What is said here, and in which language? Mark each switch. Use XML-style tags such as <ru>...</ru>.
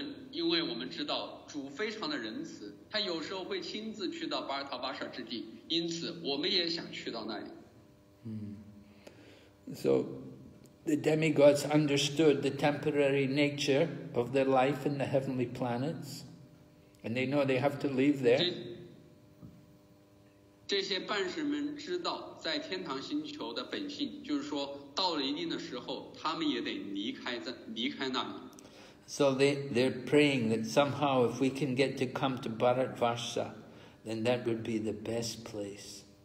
<zh>因为我们知道主非常的仁慈，他有时候会亲自去到巴尔塔巴舍之地，因此我们也想去到那里。</zh> <en>So the demigods understood the temporary nature of their life in the heavenly planets, and they know they have to leave there.</en> <zh>这些半神们知道在天堂星球的本性，就是说到了一定的时候，他们也得离开那里。</zh> <en>So they're praying that somehow if we can get to come to Bharatvarsha, then that would be the best place.</en>